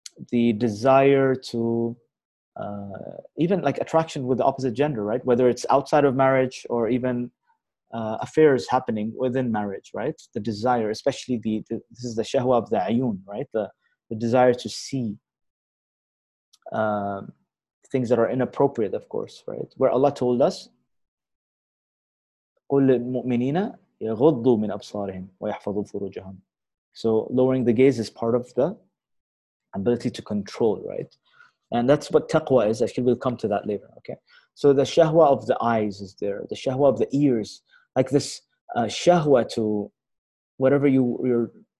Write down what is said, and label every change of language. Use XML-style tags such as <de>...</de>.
<en>The desire to even like attraction with the opposite gender, right? Whether it's outside of marriage or even affairs happening within marriage, right? The desire, especially this is the shahwa of the ayun, right? The desire to see things that are inappropriate, of course, right? Where Allah told us,</en> <ar>قُلْ لِلْمُؤْمِنِينَ يَغُضُّوا مِنْ أَبْصَارِهِمْ وَيَحْفَظُوا فُرُوجَهُمْ.</ar> <en>So lowering the gaze is part of the ability to control, right? And that's what taqwa is. Actually, we'll come to that later, okay? So the shahwa of the eyes is there. The shahwa of the ears. Like this shahwa to whatever you're...</en>